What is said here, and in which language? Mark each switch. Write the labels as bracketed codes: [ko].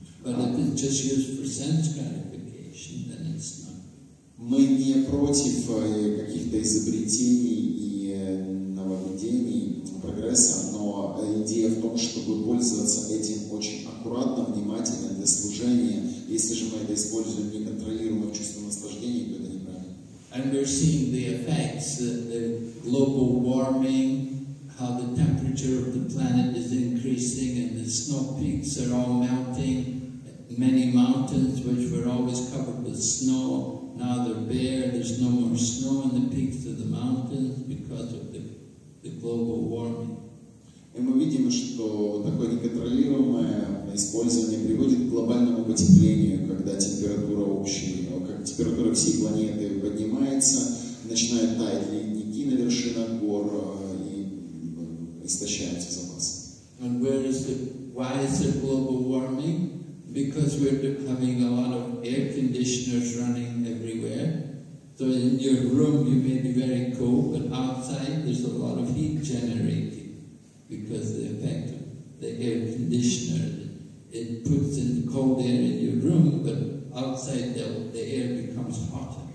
[en] But if it's just used for sense gratification, then it's not. [ru] Мы не против каких-то изобретений и нововведений, прогресса, но идея в том, чтобы пользоваться этим очень аккуратно, внимательно для служения. Если же мы это используем неконтролируемо в чувстве наслаждения, то это неправильно. [en] And we're seeing the effects of the global warming, how the temperature of the planet is increasing and the snow peaks are all melting. Many mountains which were always covered with snow, now they're bare, there's no more snow on the peaks of the mountains because of the global warming. [ru] И мы видим, что такое неконтролируемое использование приводит к глобальному потеплению, когда температура общей, как температура всей планеты поднимается, начинают таять ледники на вершинах гор и истощаются запасы. [en] And where is the, why is there global warming? Because we're having a lot of air conditioners running everywhere. So in your room you may be very cold, but outside there's a lot of heat generating. Because the effect of the air conditioner, it puts in cold air in your room, but outside the air becomes hotter.